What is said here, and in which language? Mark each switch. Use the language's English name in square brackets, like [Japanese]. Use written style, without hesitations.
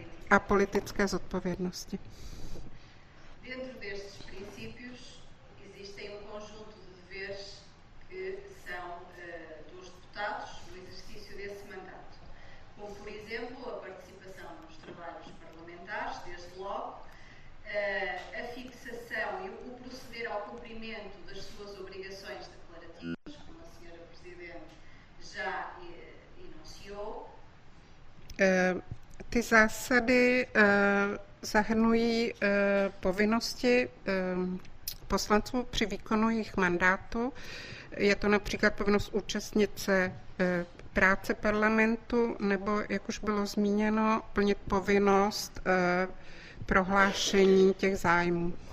[Czech] A politické zodpovědnosti. [Portuguese] Dentro destes princípios existem um conjunto de deveres que são dos deputados no exercício desse mandato. Como, por exemplo, a participação nos trabalhos parlamentares, desde logo, a fixação e o proceder ao cumprimento das suas obrigações declarativas, como a senhora presidente já enunciou. [Czech] Ty zásady zahrnují povinnosti poslanců při výkonu jejich mandátu. Je to například povinnost účastnit se práce parlamentu, nebo, jak už bylo zmíněno, plnit povinnost prohlášení těch zájmů.